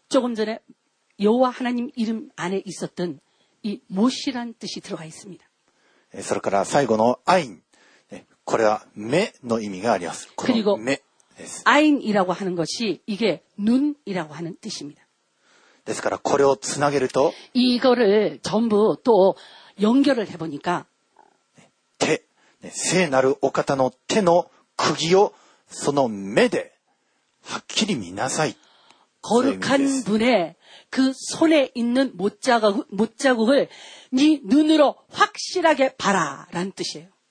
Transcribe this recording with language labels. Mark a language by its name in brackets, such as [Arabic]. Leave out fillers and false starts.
[Korean] 조금전에여호와하나님이름안에있었던이못이라는뜻이들어가있습니다。 [Japanese] それから最後のアイン、これは目の意味があります。この目です。 [Korean] アイン이라고하는것이이게눈이라고하는뜻입니다。 [Japanese] ですからこれをつなげると、 [Korean] 이거를전부또연결을해보니까 [Japanese] 手、聖なるお方の手の釘をその目ではっきり見なさい。 [Korean] 거룩한분의그손에있는못자국못자국을네눈으로확실하게봐라라는뜻이에요。